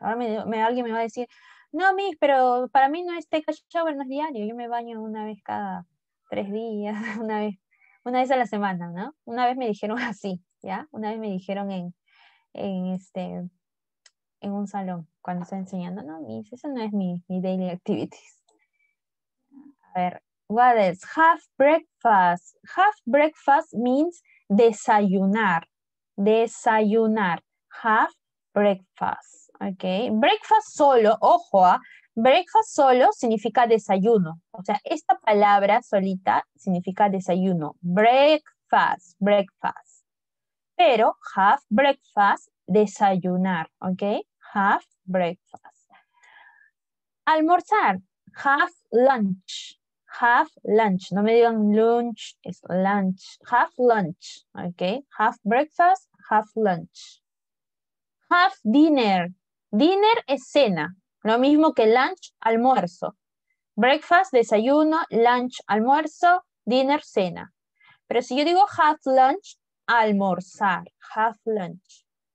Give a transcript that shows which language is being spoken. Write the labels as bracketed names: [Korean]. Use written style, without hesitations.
[Spanish] Ahora alguien me va a decir, no, Miss, pero para mí no es take a shower, no es diario. Yo me baño una vez cada 3 días, una vez a la semana, ¿no? Una vez me dijeron así, ¿ya? Una vez me dijeron en un salón, cuando estaba enseñando, no, mis, eso no es mi daily activities. [English] A ver, what is have breakfast? Have breakfast means desayunar, desayunar. [Spanish] Have breakfast, ¿ok? Breakfast solo, ojo, ¿eh? Breakfast solo significa desayuno. O sea, esta palabra solita significa desayuno. [English] Breakfast, breakfast. [Spanish] Pero have breakfast, desayunar, ¿ok? [English] Have breakfast. Almorzar, have lunch. Have lunch. [Spanish] No me digan lunch, es lunch. Have lunch, ¿ok? [English] Have breakfast, have lunch. Have dinner. Dinner es cena. [Spanish] Lo mismo que lunch, almuerzo. Breakfast, desayuno, lunch, almuerzo, dinner, cena. Pero si yo digo have lunch, almorzar, have lunch.